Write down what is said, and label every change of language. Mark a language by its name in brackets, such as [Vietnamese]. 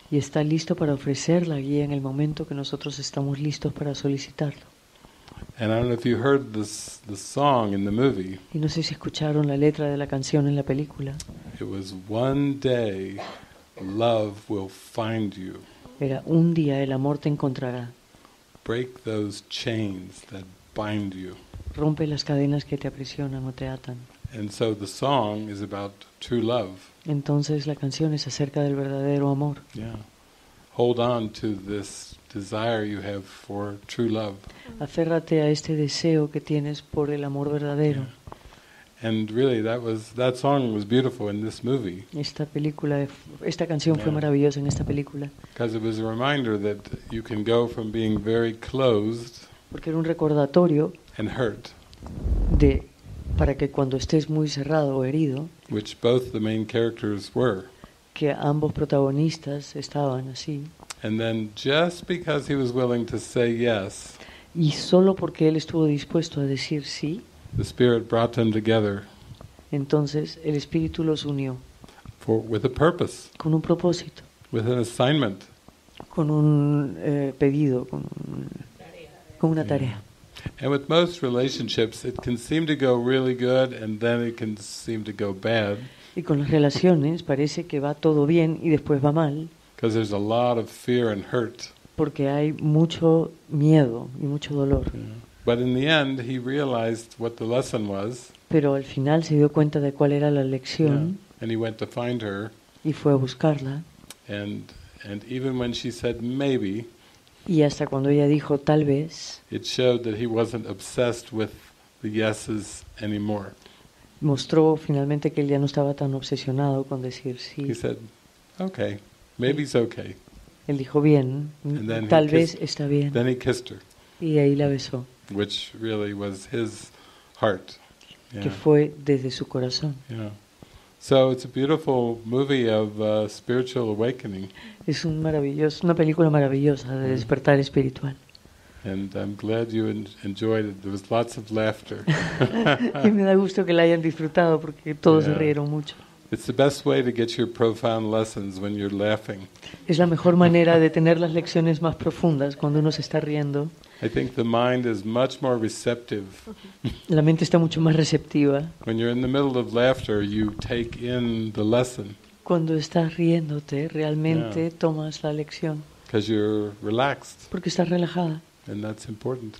[Spanish] Y está listo para ofrecer la guía en el momento que nosotros estamos listos para solicitarlo. [English] And I don't know if you heard the song in the movie. [Spanish] Y no sé si escucharon la letra de la canción en la película. [English] It was one day love will find you. [Spanish] Era un día el amor te encontrará. [English] Break those chains that bind you. [Spanish] Rompe las cadenas que te aprisionan o te atan. [English] And so the song is about true love. [Spanish] Entonces la canción es acerca del verdadero amor. [English] Yeah. Hold on to this desire you have for true love. [Spanish] Aférrate a este deseo que tienes por el amor verdadero. [English] Yeah. And really that song was beautiful in this movie. [Spanish] Esta canción fue maravillosa en esta película. [English] Because it was a reminder that you can go from being very closed. [Spanish] Porque era un recordatorio. [English] And hurt. [Spanish] De para que cuando estés muy cerrado o herido. [English] Which both the main characters were. [Spanish] Que ambos protagonistas estaban así. [English] And then just because he was willing to say yes. [Spanish] Y solo porque él estuvo dispuesto a decir sí. [English] The Spirit brought them together. [Spanish] Entonces el Espíritu los unió. [English] For with a purpose. [Spanish] Con un propósito. [English] With an assignment. [Spanish] Con un pedido, con una tarea. [English] And with most relationships, it can seem to go really good, and then it can seem to go bad. [Spanish] Y con las relaciones parece que va todo bien y después va mal. [English] Because there's a lot of fear and hurt. [Spanish] Porque hay mucho miedo y mucho dolor. [English] But in the end, he realized what the lesson was. [Spanish] Pero al final se dio cuenta de cuál era la lección. [English] Yeah. And he went to find her. [Spanish] Y fue a buscarla. [English] And even when she said maybe. [Spanish] Y hasta cuando ella dijo tal vez. [English] It showed that he wasn't obsessed with the yeses anymore. [Spanish] Mostró finalmente que él ya no estaba tan obsesionado con decir sí. [English] He said, okay, maybe it's okay. [Spanish] Él dijo bien, tal vez está bien. [English] Then he kissed her. [Spanish] Y ahí la besó. [English] Which really was his heart. [Spanish] Yeah. Que fue desde su corazón. [English] Yeah. So it's a beautiful movie of spiritual awakening. [Spanish] Es un maravilloso, una película maravillosa de despertar espiritual. [English] And I'm glad you enjoyed it. There was lots of laughter. [Spanish] Y me da gusto que la hayan disfrutado porque todos se rieron mucho. [English] It's the best way to get your profound lessons when you're laughing. [Spanish] Es la mejor manera de tener las lecciones más profundas cuando uno se está riendo. [English] I think the mind is much more receptive. [Spanish] La mente está mucho más receptiva. [English] When you're in the middle of laughter, you take in the lesson. [Spanish] Cuando estás riéndote, realmente tomas la lección. [English] Because you're relaxed. [Spanish] Porque estás relajada. [English] And that's important.